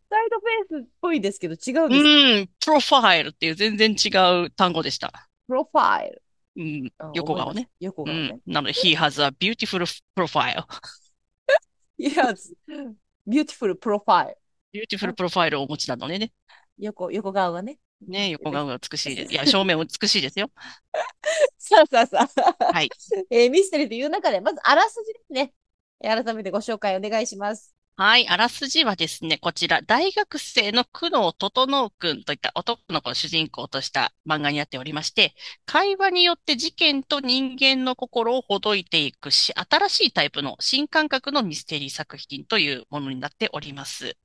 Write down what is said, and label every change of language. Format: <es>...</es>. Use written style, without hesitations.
<ja>サイドフェイスっぽいですけど違うんです。うん、プロファイルっていう全然違う単語でした。プロファイル。うん、横顔ね。横顔ね。うん、</ja> <en>なので、He has a beautiful profile. He has beautiful profile.</en> <ja>ビューティフルプロファイルをお持ちなのね。横顔がね。ね、横顔が美しいです。いや、正面美しいですよ。さあさあさあ。はい。ミステリーという中で、まずあらすじですね。改めてご紹介お願いします。はい、あらすじはですね、こちら、大学生の久能整君といった男の子の主人公とした漫画になっておりまして、会話によって事件と人間の心をほどいていくし、新しいタイプの新感覚のミステリー作品というものになっております。</ja>